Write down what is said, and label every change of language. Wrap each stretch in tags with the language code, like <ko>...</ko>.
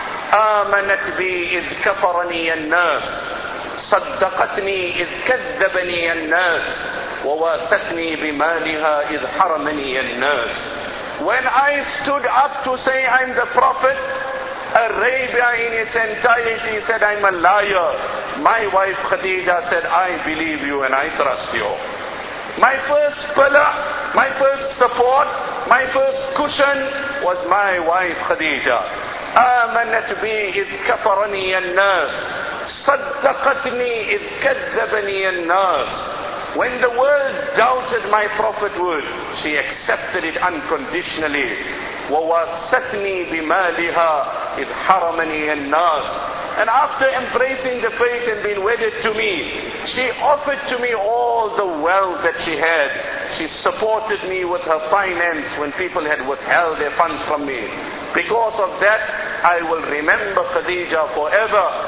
<ar>آمَنَتْ بِي إِذْ كَفَرَنِي النَّاسِ صدقتني إذ كذبني الناس وواستني بمالها إذ حرمني الناس.</ar> <en>When I stood up to say I'm the Prophet, Arabia in its entirety said I'm a liar. My wife Khadija said, I believe you and I trust you. My first pillar, my first support, my first cushion was my wife Khadija.</en> <ar>آمنت بي إذ كفرني الناس صدقتني إذ كذبني الناس.</ar> <en>When the world doubted my prophet word, she accepted it unconditionally.</en> <ar>وواستني بمالها إذ حرمني الناس.</ar> <en>And after embracing the faith and being wedded to me, she offered to me all the wealth that she had. She supported me with her finance when people had withheld their funds from me. Because of that, I will remember Khadija forever.</en>